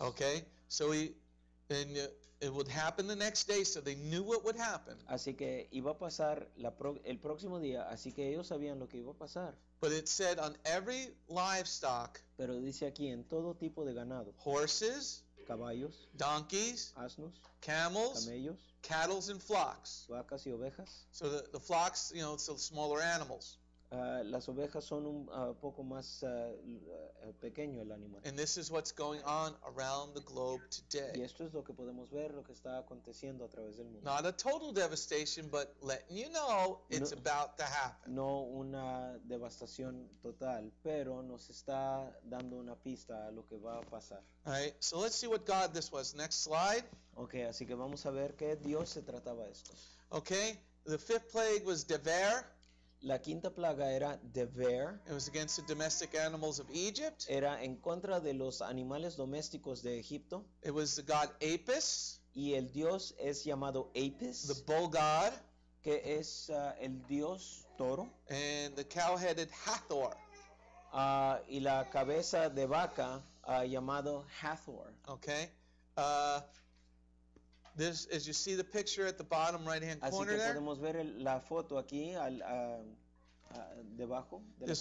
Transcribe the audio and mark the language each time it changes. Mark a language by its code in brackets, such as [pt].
[en] Okay, so it would happen the next day, so they knew what would happen. [es] Así que iba a pasar el próximo día, así que ellos sabían lo que iba a pasar. [en] But it said on every livestock. [es] Pero dice aquí en todo tipo de ganado. [en] Horses. [es] Caballos, [en] donkeys, [es] asnos, [en] camels, [es] camellos, [en] cattle and flocks. [es] Vacas y ovejas. [en] So the flocks, you know, it's the smaller animals. [es] Las ovejas son un poco más pequeño el animal. [en] And this is what's going on around the globe today. [es] Y esto es lo que podemos ver, lo que está aconteciendo a través del mundo. [en] Not a total devastation, but letting you know it's no, about to happen. [es] No una devastación total, pero nos está dando una pista a lo que va a pasar. [en] All right, so let's see what God this was. Next slide. [es] Okay, así que vamos a ver qué Dios se trataba esto. [en] Okay, the fifth plague was Dever. [es] La quinta plaga era Dever. [en] It was against the domestic animals of Egypt. [es] Era en contra de los animales domésticos de Egipto. [en] It was the god Apis. [es] Y el dios es llamado Apis. [en] The bull god. [es] Que es el dios toro. [en] And the cow-headed Hathor. [es] Y la cabeza de vaca llamado Hathor. [en] Okay. This, as you see the picture at the bottom right-hand corner there. [es] Así que podemos ver la foto aquí al debajo de la pantalla.